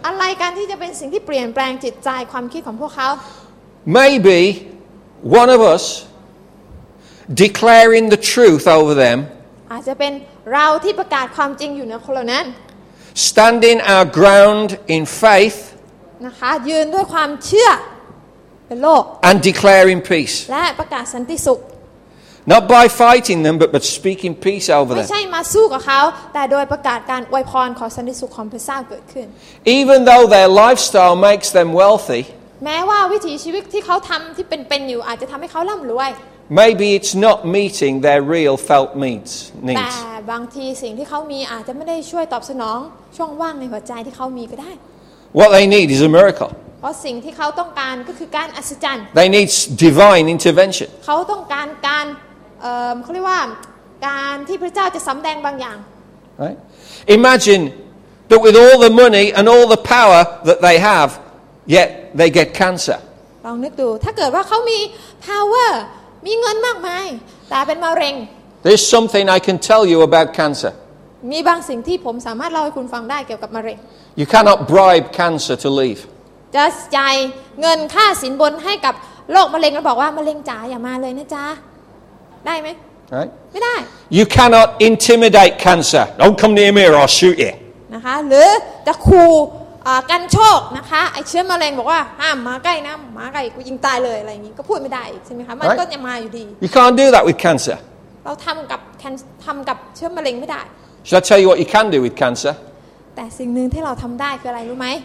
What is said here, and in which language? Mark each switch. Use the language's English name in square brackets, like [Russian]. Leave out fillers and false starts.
[Thai] อะไรกันที่จะเป็นสิ่งที่เปลี่ยนแปลงจิตใจความคิดของพวกเขา [English] Maybe one of us declaring the truth over them [Thai] อาจจะเป็นเราที่ประกาศความจริงอยู่ในคนเหล่านั้น [English] Standing our ground in faith [Thai] นะคะยืนด้วยความเชื่อเป็นโลก [English] And declaring peace [Thai] และประกาศสันติสุข [English] Not by fighting them but speaking peace over them [Thai] ไม่ใช่มาสู้กับเขาแต่โดยประกาศการอวยพรขอสันติสุขของพระเจ้าเกิดขึ้น [English] Even though their lifestyle makes them wealthy [Thai] แม้ว่าวิถีชีวิตที่เขาทำที่เป็นอยู่อาจจะทำให้เขาร่ำรวย [English] Maybe it's not meeting their real felt needs. [Thai] แต่บางทีสิ่งที่เขามีอาจจะไม่ได้ช่วยตอบสนองช่วงว่างในหัวใจที่เขามีก็ได้ [English] What they need is a miracle. [Thai] เพราะสิ่งที่เขาต้องการก็คือการอัศจรรย์ [English] They need divine intervention. [Thai] เขาต้องการการเขาเรียกว่าการที่พระเจ้าจะสำแดงบางอย่าง [English] Right? Imagine that with all the money and all the power that they have, yet they get cancer. [Thai] ลองนึกดูถ้าเกิดว่าเขามี powerมีเงินมากมายแต่เป็นมะเร็ง [English] There's something I can tell you about cancer. [Thai] มีบางสิ่งที่ผมสามารถเล่าให้คุณฟังได้เกี่ยวกับมะเร็ง [English] You cannot bribe cancer to leave. [Thai] จะจ่ายเงินค่าสินบนให้กับโรคมะเร็งแล้วบอกว่ามะเร็งจ๋าอย่ามาเลยนะจ๊ะได้ไหม [English] Right. [Thai] ไม่ได้ [English] You cannot intimidate cancer. Don't come near me or I'll shoot you. [Thai] นะคะหรือจะขู่กันโชคนะคะไอ้เชื้อมะเร็งบอกว่าห้ามมาใกล้นะมาใกล้กูยิงตายเลยอะไรอย่างงี้ก็พูดไม่ได้ใช่มั้ยคะมันก็จะมาอยู่ดี [English] You can't do that with cancer [Thai] เราทำกับเชื้อมะเร็งไม่ได้ [English] Should I tell you what you can do with cancer [Thai] แต่สิ่งนึงที่เราทำได้คืออะไรรู้ไหม